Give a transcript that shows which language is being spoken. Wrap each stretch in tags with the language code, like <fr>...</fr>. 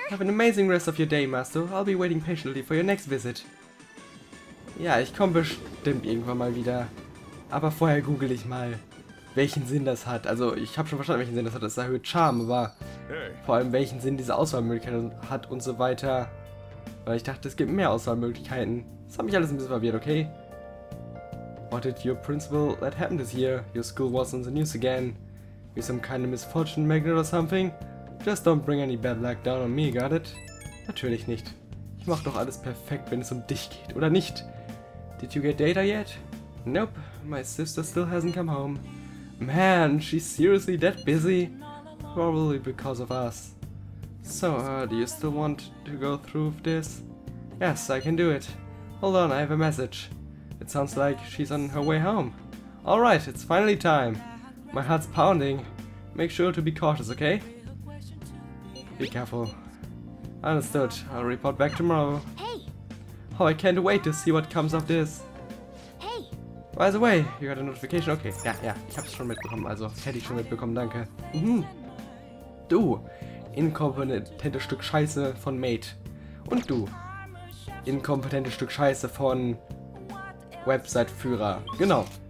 <en>Have an amazing rest of your day, Master. I'll be waiting patiently for your next visit.</en> <de>Ja, ich komme bestimmt irgendwann mal wieder. Aber vorher google ich mal, welchen Sinn das hat. Also, ich habe schon verstanden, welchen Sinn das hat. Das erhöht Charme, aber vor allem, welchen Sinn diese Auswahlmöglichkeit hat und so weiter. Weil ich dachte, es gibt mehr Auswahlmöglichkeiten. Das hat mich alles ein bisschen verwirrt, okay?</de> <en>What did your principal let happen this year? Your school was on the news again. You're some kind of misfortune magnet or something? Just don't bring any bad luck down on me, got it?</en> <de>Natürlich nicht. Ich mach doch alles perfekt, wenn es um dich geht, oder nicht?</de> <en>Did you get data yet? Nope, my sister still hasn't come home. Man, she's seriously that busy. Probably because of us. So, do you still want to go through this? Yes, I can do it. Hold on, I have a message. It sounds like she's on her way home. Alright, it's finally time. My heart's pounding. Make sure to be cautious, okay? Be careful. Understood. I'll report back tomorrow. Hey! Oh, I can't wait to see what comes of this. Hey! By the way, you got a notification? Okay,</en> <de>ja, ja. Ich hab's schon mitbekommen, also hätte ich schon mitbekommen, danke. Mhm. Du! Inkompetentes Stück Scheiße von Mate. Und du! Inkompetentes Stück Scheiße von... Website-Führer. Genau.</de>